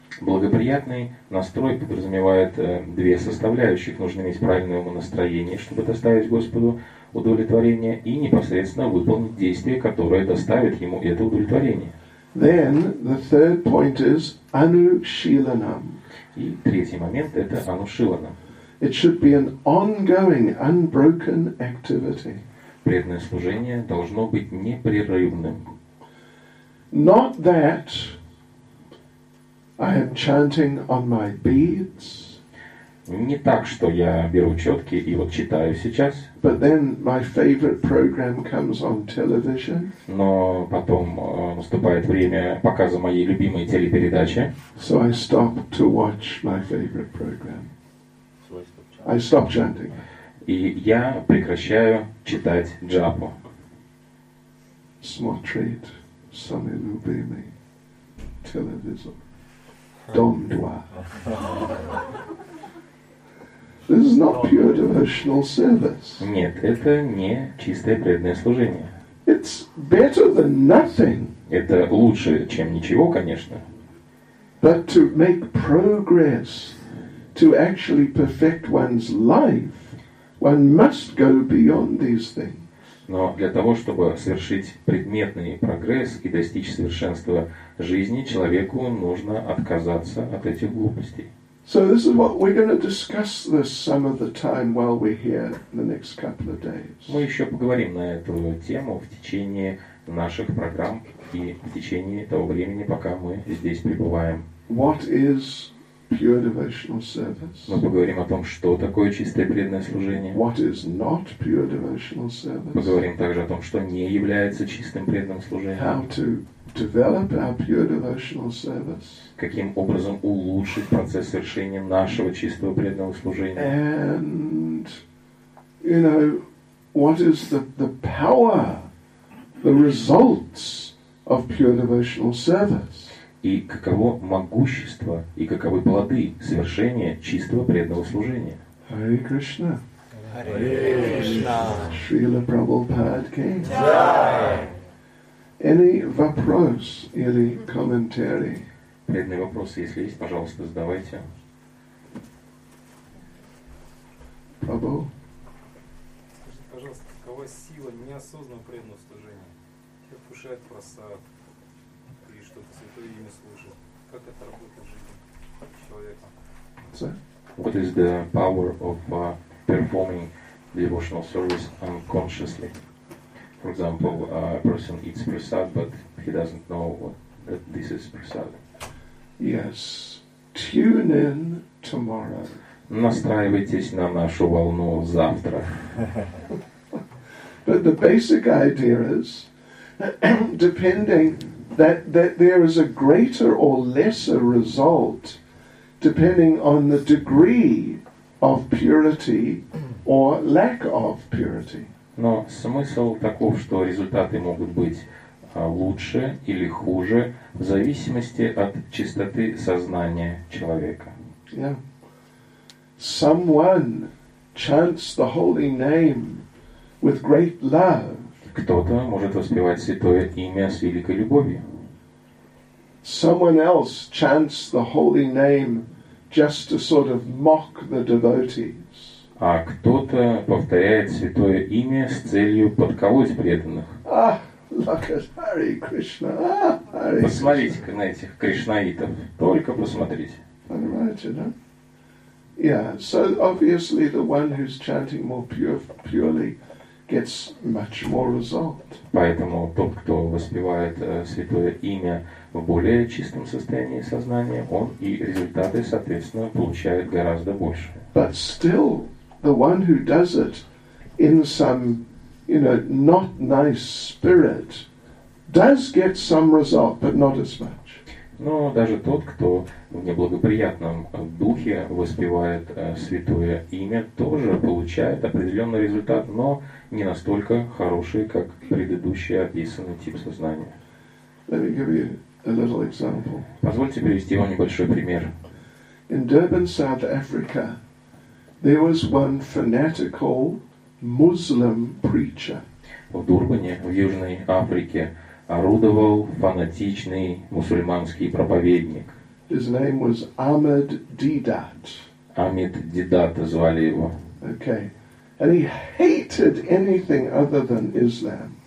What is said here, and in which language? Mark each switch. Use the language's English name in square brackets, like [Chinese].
[Russian] Благоприятный настрой подразумевает две составляющих: нужно иметь правильное умонастроение, чтобы доставить Господу удовлетворение, и непосредственно выполнить действие, которое доставит ему это удовлетворение. [English] Then the third point is anushilanam. [Russian] И третий момент – это анушилана. [English] It should be an ongoing, unbroken activity. [Russian] Преданное служение должно быть непрерывным. [English] Not that I am chanting on my beads. [Russian] Не так, что я беру четки и вот читаю сейчас. [English] But then my favorite program comes on television. [Russian] Но потом наступает время показа моей любимой телепередачи. [English] So I stop to watch my favorite program. I stop chanting. [Russian] И я прекращаю читать джапу. Смотреть самый любимый телевизор. Дом 2. [English] This is not pure devotional service. [Russian] Нет, это не чистое преданное служение. [English] It's better than nothing. [Russian] Это лучше, чем ничего, конечно. [English] But to make progress, to actually perfect one's life, one must go beyond these things. [Russian] Но для того, чтобы совершить предметный прогресс и достичь совершенства жизни, человеку нужно отказаться от этих глупостей. [English] So this is what we're going to discuss this some of the time while we're here in the next couple of days. [Russian] Мы еще поговорим на эту тему в течение наших программ и в течение того времени, пока мы здесь пребываем. [English] What is pure devotional service? [Russian] Мы поговорим о том, что такое чистое преданное служение. [English] What is not pure devotional service? [Russian] Поговорим также о том, что не является чистым преданным служением. [English] How to develop our pure devotional service. [Russian] Каким образом улучшить процесс совершения нашего чистого преданного служения? [English] And you know, what is the power, the results of pure devotional service? [Russian] И каково могущество и каковы плоды совершения чистого преданного служения? [English] Hare Krishna. Srila Prabhupada came. Jai. Any [Russian] vapros или [English] commentary? [Russian] Предные вопросы, если есть, пожалуйста, задавайте. Прабху. Скажите, пожалуйста, какова сила неосознанного преданного служения? Как кушает просад? Или что-то святое имя служит? Как это работает в жизни человека? [English] What is the power of performing devotional service unconsciously? For example, a person eats prasad, but he doesn't know that this is prasad. Yes. Tune in tomorrow. [Russian] Настраивайтесь на нашу волну завтра. [English] But the basic idea is, depending that there is a greater or lesser result depending on the degree of purity or lack of purity. [Russian] Но смысл таков, что результаты могут быть лучше или хуже в зависимости от чистоты сознания человека. [English] Yeah. Someone chants the holy name with great love. [Russian] Кто-то может воспевать святое имя с великой любовью. [English] Someone else chants the holy name just to sort of mock the devotees. [Russian] А кто-то повторяет святое имя с целью подколоть преданных. [English] Ah, look at Hare Krishna. Ah, Hare Krishna. [Russian] Посмотрите-ка на этих кришнаитов. Только посмотрите. Понимаете, да? [English] Yeah, so obviously the one who's chanting more purely gets much more result. [Russian] Поэтому тот, кто воспевает святое имя в более чистом состоянии сознания, он и результаты, соответственно, получает гораздо больше. [English] But still, the one who does it in some, you know, not nice spirit, does get some result, but not as much. [Russian] Но даже тот, кто в неблагоприятном духе воспевает святое имя, тоже получает определенный результат, но не настолько хороший, как предыдущий описанный тип сознания. [English] Let me give you a little example. [Russian] Позвольте привести вам небольшой пример. [English] In Durban, South Africa, there was one fanatical Muslim preacher. [Russian] В Дурбане, в Южной Африке, орудовал фанатичный мусульманский проповедник. [English] His name was Ahmed Didat. [Russian] Ahmed Didat звали его. [English] Okay. And he hated anything other than Islam.